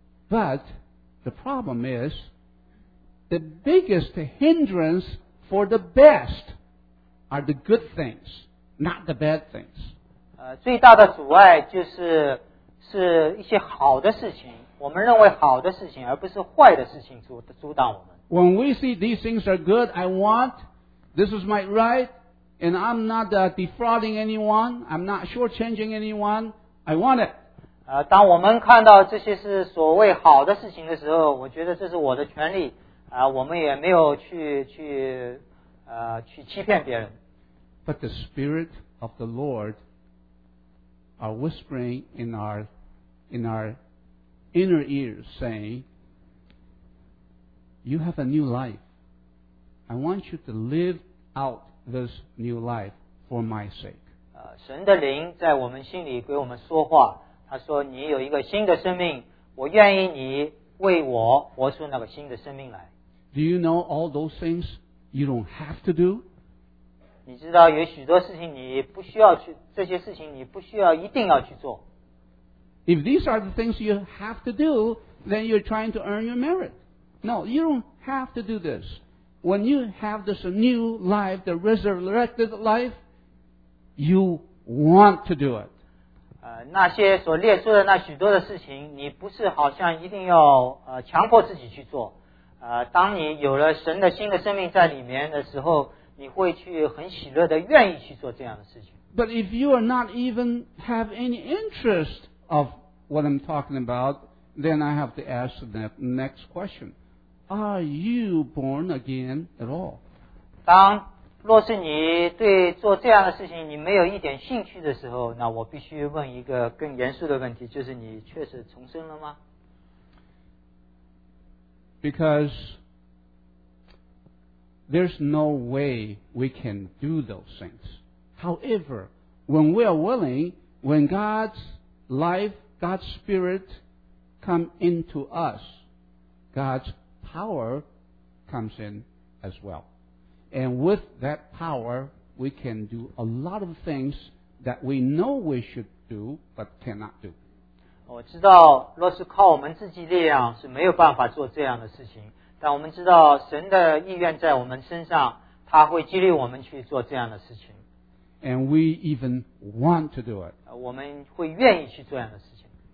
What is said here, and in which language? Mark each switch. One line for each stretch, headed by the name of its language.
English: But the problem is the biggest hindrance for the best are the good things, not the bad things.
Chinese: 最大的阻碍就是是一些好的事情，我们认为好的事情，而不是坏的事情阻挡我们。
English: When we see these things are good, I want, this is my right, and I'm not defrauding anyone, I'm not shortchanging anyone, I want it.
Chinese: 当我们看到这些是所谓好的事情的时候，我觉得这是我的权利，我们也没有去欺骗别人。
English: But the Spirit of the Lord are whispering in our inner ears saying, you have a new life. I want you to live out this new life for my sake.
Chinese: 神的灵在我们心里给我们说话，他说你有一个新的生命，我愿意你为我活出那个新的生命来。
English: Do you know all those things you don't have to do?
Chinese: 你知道有许多事情你不需要去，这些事情你不需要一定要去做。
English: If these are the things you have to do, then you're trying to earn your merit. No, you don't have to do this. When you have this new life, the resurrected life, you want to do it.
Chinese: 那些所列出的那许多的事情，你不是好像一定要强迫自己去做。当你有了神的新的生命在里面的时候，你会去很喜乐的愿意去做这样的事情。
English: But if you are not even have any interest of what I'm talking about, then I have to ask the next question. Are you born again at all?
Chinese: 当若是你对做这样的事情你没有一点兴趣的时候，那我必须问一个更严肃的问题，就是你确实重生了吗？
English: Because there's no way we can do those things. However, when we are willing, when God'sLife, God's Spirit come into us. God's power comes in as well. And with that power, we can do a lot of things that we know we should do, but cannot do.
Chinese: 我知道若是靠我们自己力量是没有办法做这样的事情，但我们知道神的意愿在我们身上，他会激励我们去做这样的事情。
English: And we even want to do it.
Chinese: 我们会愿意去做这样的事情。